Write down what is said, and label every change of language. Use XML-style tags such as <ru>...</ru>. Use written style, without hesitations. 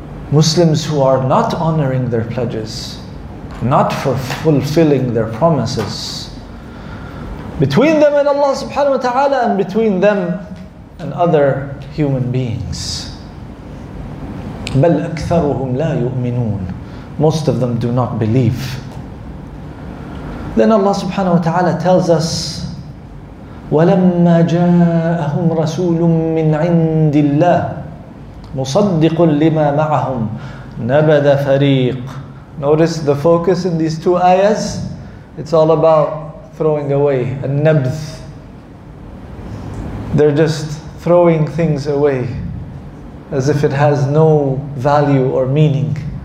<en>Muslims who are not honoring their pledges, not for fulfilling their promises, between them and Allah subhanahu wa ta'ala, and between them and other human beings.</en> <ar>بَلْ أَكْثَرُهُمْ لَا يُؤْمِنُونَ.</ar> <en>Most of them do not believe. Then Allah subhanahu wa ta'ala tells us,</en> <ar>وَلَمَّا جَاءَهُمْ رَسُولٌ مِّنْ عِنْدِ اللَّهِ مُصَدِّقٌ لِمَا مَعَهُمْ نَبَذَ فَرِيقٌ.</ar> <en>Notice the focus in these two ayahs. It's all about throwing away, a nabth. They're just throwing things away as if it has no value or meaning.</en>